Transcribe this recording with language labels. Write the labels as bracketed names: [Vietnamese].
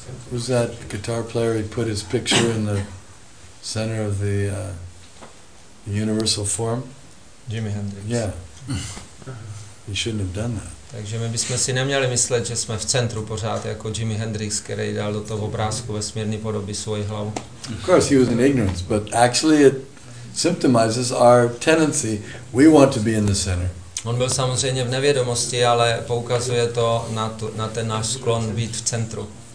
[English] Who's that guitar player? He put his picture in the center of the universal form. Jimi Hendrix. Yeah. He shouldn't have done that. [Czech] Takže my bychom si neměli myslet, že jsme v centru pořád jako Jimi Hendrix, který dal do toho obrázku vesmírný podoby svoji hlavu. [English] Of course he was in ignorance, but actually it symptomizes our tendency. We want to be in the center. [Czech] On byl samozřejmě v nevědomosti, ale poukazuje to na ten náš sklon být v centru.